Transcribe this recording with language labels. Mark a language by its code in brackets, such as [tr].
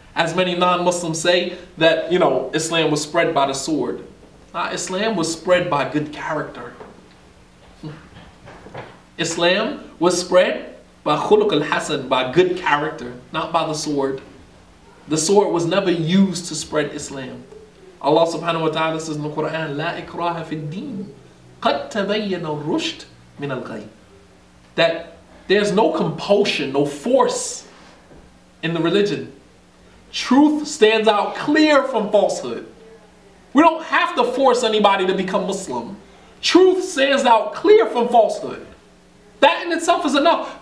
[en] As many non-Muslims say that, you know, Islam was spread by the sword. Islam was spread by good character. Islam was spread by khuluq al-hasan, by good character, not by the sword. The sword was never used to spread Islam. Allah subhanahu wa ta'ala says in the Quran, [ar] لا إكراه في الدين قد تبين الرشد من الغي. [en] That there's no compulsion, no force in the religion. Truth stands out clear from falsehood. We don't have to force anybody to become Muslim. Truth stands out clear from falsehood. That in itself is enough.